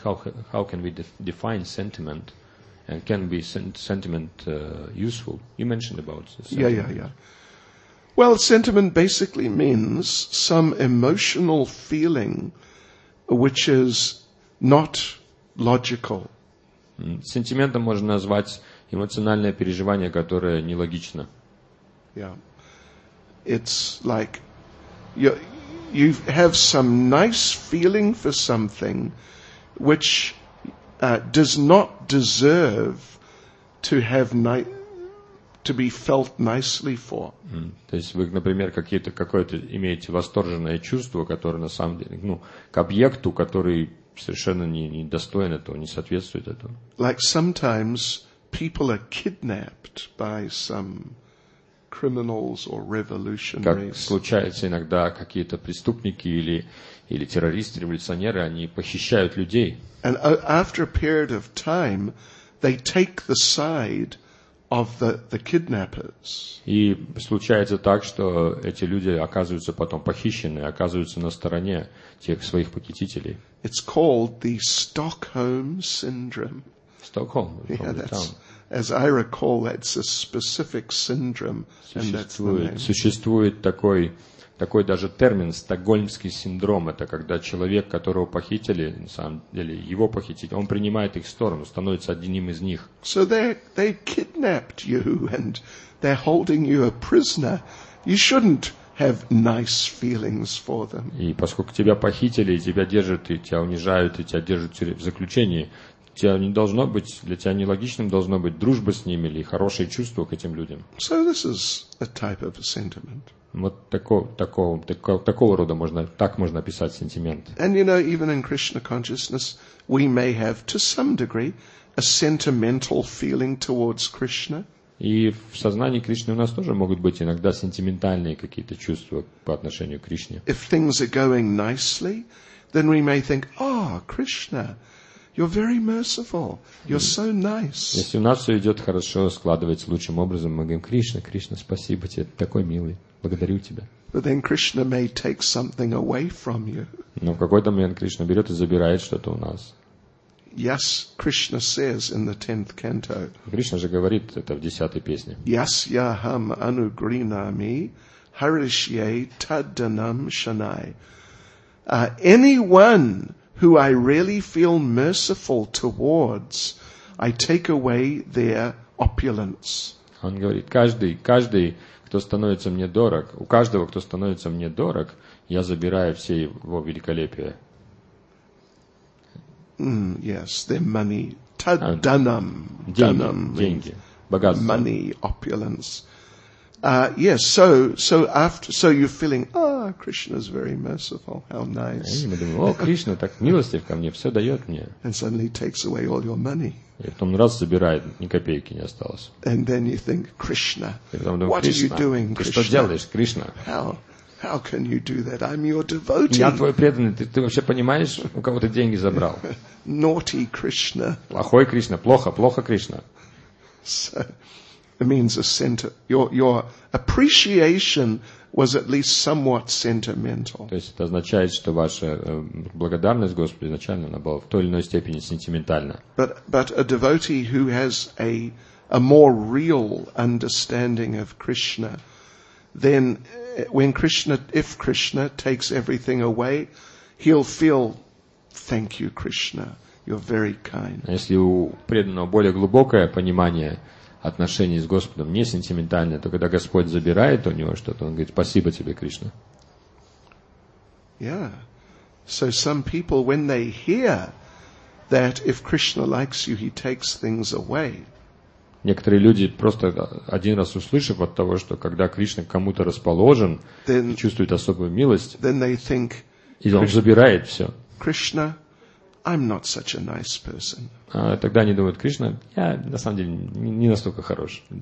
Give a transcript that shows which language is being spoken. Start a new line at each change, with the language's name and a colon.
English: How can we define sentiment, and can be sentiment useful? You mentioned about sentiment. Yeah. Well, sentiment basically means some emotional feeling which is not logical.
Russian: Сентиментом можно назвать эмоциональное переживание, которое нелогично.
English: Yeah. It's like you have some nice feeling for something which does not deserve to have nice to be felt nicely for.
Russian: То есть вы, например, какое-то имеете восторженное чувство, которое на самом деле, ну, к объекту, который совершенно не достоин этого, не соответствует этому.
English: Like sometimes people are kidnapped by some criminals or revolutionaries.
Russian: Как случается иногда, какие-то преступники или террористы, революционеры, они похищают людей.
English: And after a period of time, they take the side of the kidnappers.
Russian: И случается так, что эти люди оказываются потом похищены, оказываются на стороне тех своих похитителей.
English: It's called the Stockholm syndrome. Stockholm. As I recall, that's a specific syndrome, and that's the name.
Russian: Существует такой даже термин — Стокгольмский синдром. Это когда человек, которого похитили, на самом деле его похитили, он принимает их сторону, становится одним из них.
English: So they kidnapped you and they're holding you a prisoner. You shouldn't have nice feelings for them.
Russian: И поскольку тебя похитили, тебя держат, и тебя унижают, и тебя держат в заключении, тебя не должно быть, для тебя нелогичным должно быть дружба с ними или хорошее чувство к этим людям.
English: So this is a type of a sentiment.
Russian: Вот такого рода можно, так можно описать сентимент.
English: And you know, even in Krishna consciousness, we may have to some degree a sentimental feeling towards Krishna.
Russian: И в сознании Кришны у нас тоже могут быть иногда сентиментальные какие-то чувства по отношению к Кришне.
English: If things are going nicely, then we may think, "Oh, Krishna, you're very merciful. You're so nice."
Russian: Если у нас все идет хорошо, складывается лучшим образом, мы говорим: "Кришна, Кришна, спасибо тебе, ты такой милый. Благодарю тебя."
English: But then Krishna may take something away from you.
Russian: Но в какой-то момент Кришна берет и забирает что-то у нас.
English: Yes, Krishna says in the 10th canto.
Russian: Кришна же говорит это в 10-й песне.
Sanskrit: Yasyaham anugrinami harishye taddanam shanai.
English: Anyone who I really feel merciful towards, I take away their opulence.
Russian: Он говорит: каждый, кто становится мне дорог, у каждого, кто становится мне дорог, я забираю все его великолепие.
English: Yes, their money. Таданам.
Russian: Деньги. Богатство.
English: Money, opulence. Yes, so you're feeling, ah, Krishna's very merciful, how nice.
Russian: И мы думаем: о, Кришна так милостив ко мне, все дает мне.
English: And suddenly takes away all your money.
Russian: И потом раз забирает, ни копейки не осталось.
English: And then you think, Krishna, what are you doing, Krishna?
Russian: Что делаешь, Кришна?
English: How can you do that? I'm your devotee.
Russian: Я твой преданный. Ты вообще понимаешь, у кого ты деньги забрал?
English: Naughty Krishna.
Russian: Плохой Кришна. Плохо Кришна.
English: So it means a center. Your appreciation was at least somewhat sentimental.
Russian: То есть это означает, что ваша благодарность Господу изначально она была в той или иной степени сентиментальна.
English: But a devotee who has a more real understanding of Krishna, then if Krishna takes everything away, he'll feel, thank you, Krishna. you're very kind.
Russian: Если у преданного более глубокое понимание отношений с Господом, не сентиментальное, то когда Господь забирает у него что-то, он говорит: спасибо тебе, Кришна.
English: Yeah. So some people, when they hear that if Krishna likes you, he takes things away.
Russian: Некоторые люди, просто один раз услышав от того, что когда Кришна к кому-то расположен,
English: then,
Russian: и чувствует особую милость,
English: then they think,
Russian: и он забирает все.
English: Krishna, I'm not such a nice person.
Russian: А тогда они думают: Кришна, я на самом деле не настолько хорош.